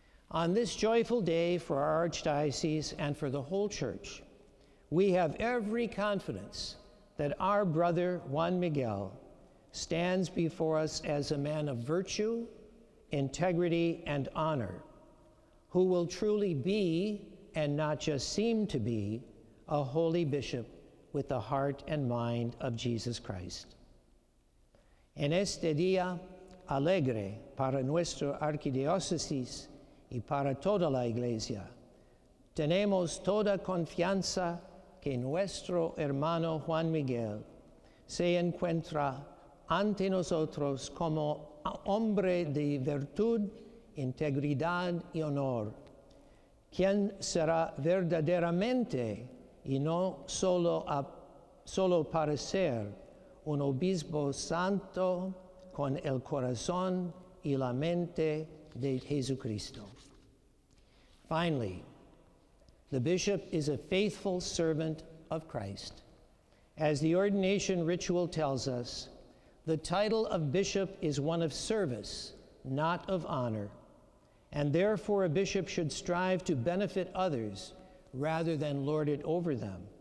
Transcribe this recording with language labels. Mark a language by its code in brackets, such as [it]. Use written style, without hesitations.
[en] On this joyful day for our Archdiocese and for the whole Church, we have every confidence that our brother Juan Miguel stands before us as a man of virtue, integrity, and honor, who will truly be, and not just seem to be, a holy bishop with the heart and mind of Jesus Christ. [es] En este día alegre para nuestra arquidiócesis y para toda la Iglesia, tenemos toda confianza que nuestro hermano Juan Miguel se encuentra ante nosotros como hombre de virtud, integridad y honor, quien será verdaderamente y no solo para ser un obispo santo con el corazón y la mente de Jesucristo. [en] Finally, the bishop is a faithful servant of Christ. As the ordination ritual tells us, the title of bishop is one of service, not of honor, and therefore a bishop should strive to benefit others rather than lord it over them.